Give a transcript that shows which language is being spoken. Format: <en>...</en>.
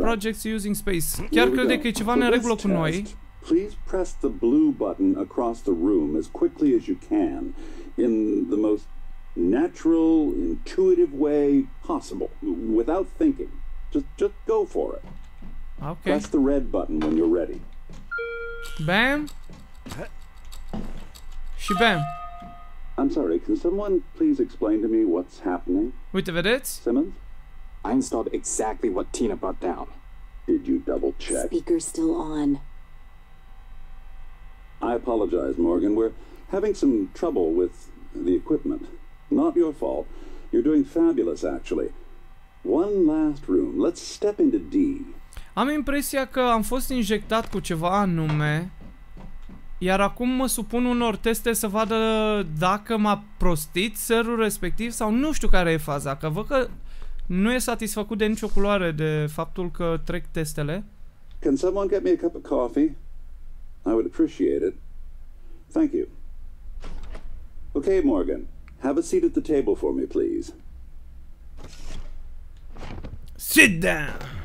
<en>Projects using space.</en> <ro>Chiar crede că e ceva neregulă cu noi.</ro> <en>Please press the blue button across the room as quickly as you can, in the most natural, intuitive way possible, without thinking. Just go for it. Okay. Press the red button when you're ready. Bam.</en> <ro>Și bam.</ro> <en>I'm sorry, can someone please explain to me what's happening?</en> <ro>Uite, vedeți?</ro> <en>Simmons? I installed exactly what Tina brought down. Did you double check? Speaker's still on. I apologize, Morgan. We're having some trouble with the equipment. Not your fault. You're doing fabulous, actually. One last room. Let's step into D.</en> <ro>Am impresia că am fost injectat cu ceva anume, iar acum mă supun unor teste să vadă dacă m-a prostit serul respectiv sau nu știu care e faza. Că văd că nu e satisfăcut de nicio culoare de faptul că trec testele.</ro> <en>Can someone get me a cup of coffee? I would appreciate it. Thank you. Okay, Morgan. Have a seat at the table for me, please. Sit down.</en>